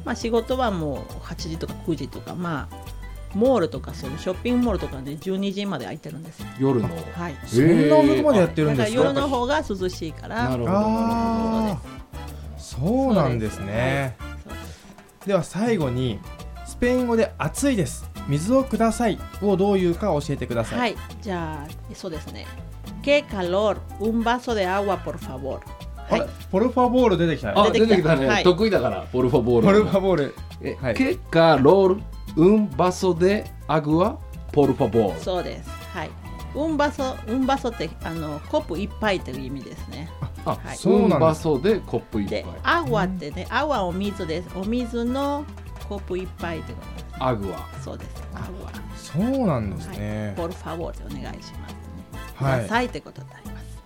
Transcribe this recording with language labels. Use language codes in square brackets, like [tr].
[ja] まあ、仕事はもう8時とか9時とか、まあモールとか、そのショッピングモールとかで12時まで空いてるんです。夜の、はい、そんな遅くまでやってるんですか？だから夜の方が涼しいから。なるほど、そうなんですね。では最後に、スペイン語で暑いです、水をくださいをどういうか教えてください。はい、じゃあそうですね、 [es] Qué calor, un vaso de agua por favor。 [ja] はい、ポルファボール出てきた。あ、出てきたね、はい、得意だから、ポルファボール。ポルファボール、 [es] Qué calorUn vaso de agua, por favor. [ja] そうです。はい。 [es] Un vaso [ja] って、コップ一杯という意味ですね。あ、はい、そうなんです。 [es] Un vaso [ja] でコップ一杯。で、agua ってね、agua お水です。お水のコップ一杯ってことです、ね。 [es] Agua。 [ja] そうです。Agua。そうなんですね。はい、 [es] por favor [ja] でお願いします、ね。はい。くださいってことになります。